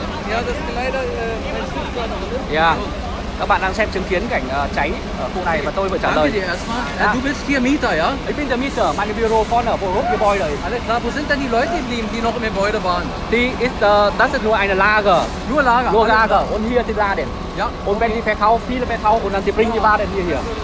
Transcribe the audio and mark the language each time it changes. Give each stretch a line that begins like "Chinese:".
German: Ja, das ist leider ein Schutzmann, oder? Ja.
Vietnamese: Các bạn đang xem chứng kiến cảnh cháy ở khu này và tôi vừa trả lời.
German: Ja. Du bist hier Mieter, ja? Ich bin der Mieter, mein Büro vorne, wo rot Gebäude ist. Wo sind denn die Leute geblieben, die noch im Gebäude waren? Das ist nur eine Lager. Nur Lager? Nur Lager. Alles. Und hier die Laden. Ja. Und okay. Wenn die verkaufen, viele verkaufen, dann die bringen die Laden hier.